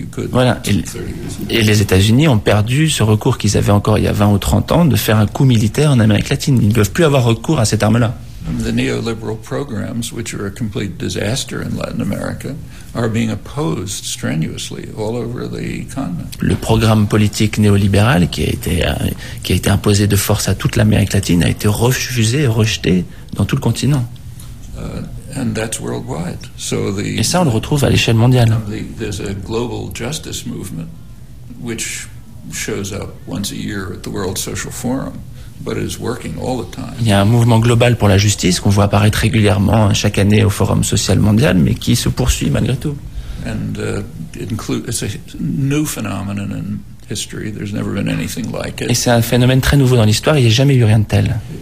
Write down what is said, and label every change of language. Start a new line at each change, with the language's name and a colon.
French: Voilà. Et les États-Unis ont perdu ce recours qu'ils avaient encore il y a 20 ou 30 ans de faire un coup militaire en Amérique latine. Ils ne peuvent plus avoir recours à cette arme-là.
English: The neoliberal programs, which are a complete disaster in Latin America, are being opposed strenuously all over the continent.
French: Le programme politique néolibéral qui a été imposé de force à toute l'Amérique latine a été refusé et rejeté dans tout le continent.
English: And that's worldwide. So the
French: et ça on le retrouve à l'échelle mondiale.
English: There's a global justice movement which shows up once a year at the World Social Forum. But it is working all the time.
French: Il y a un mouvement global pour la justice qu'on voit apparaître régulièrement chaque année au Forum social mondial, mais qui se poursuit malgré tout.
English: And it's a new phenomenon in history. There's never been anything like it.
French: Et c'est un phénomène très nouveau dans l'histoire. Il n'y a jamais eu rien de tel.